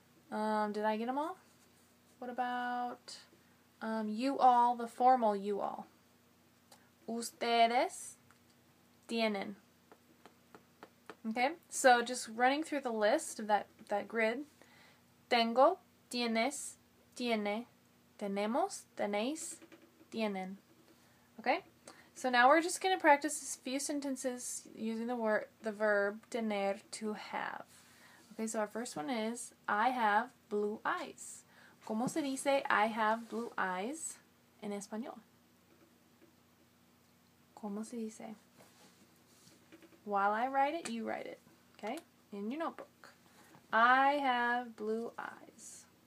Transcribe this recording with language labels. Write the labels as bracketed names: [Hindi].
[English] Did I get them all? What about you all, the formal you all? [Spanish] Ustedes tienen. [English] Okay, so just running through the list of that grid. [Spanish] Tengo, tienes, tiene, tenemos, tenéis, tienen. [English] Okay, so now we're just going to practice a few sentences using the verb tener, to have. Okay, so our first one is, I have blue eyes. [Spanish] ¿Cómo se dice [English] I have blue eyes [Spanish] en español? ¿Cómo se dice? [English] While I write it, you write it, okay? In your notebook. I have blue eyes.